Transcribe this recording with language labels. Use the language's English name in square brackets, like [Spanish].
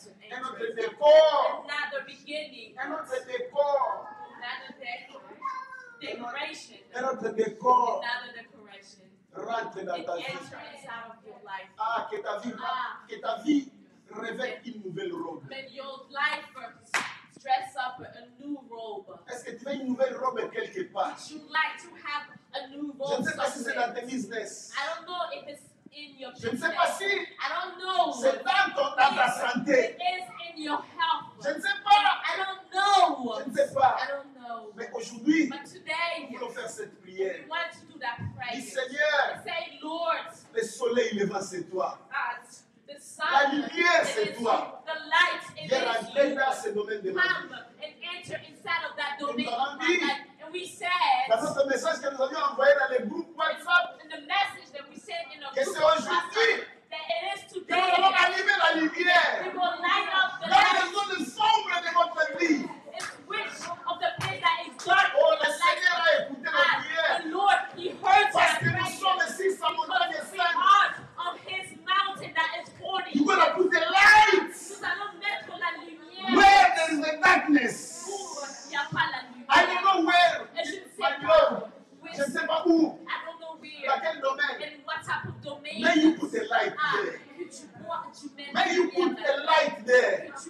[English] Another beginning. Another decor. Another decoration. Out of your life. [French] Ah, que ta vie revêt une nouvelle robe. [English] May your life dress up a new robe. [French] Est-ce que tu veux une nouvelle robe quelque part? [English] Would you like to have a new robe? [French] Je ne sais pas si c'est dans tes business. [English] I don't know if it's in your [French] je ne sais pas si [English] I don't know [French] c'est dans ton dans ta santé. [English] It is in your health. [French] Je ne sais pas. [English] I don't know. [French] Je ne sais pas. [English] I don't know. [French] Mais aujourd'hui, [English] but today, [French] nous voulons faire cette prière. [English] We want to do that prayer. [French] Dis Seigneur, [English] say Lord, [French] le soleil levant c'est toi. [English] The sun, [French] la lumière c'est toi. [English] The light in [French] viens rentrer dans ce domaine de [English] come and enter inside of that domain. [French] Nous avons dit, [English] and we said, [French] dans notre message que nous avions envoyé dans les groupes WhatsApp. [English] In the message. [French] Que c'est aujourd'hui que nous allons allumer la lumière dans les zones sombres de notre vie. Oh, le Seigneur a écouté la prière parce que nous sommes ici sur la montagne sainte. Nous allons écouter la lumière. [English] Where there is the darkness, [French] allumons where. Je ne sais pas où. Dans quel domaine? [English] In what type of domain? May you put a light there. May you put a light there.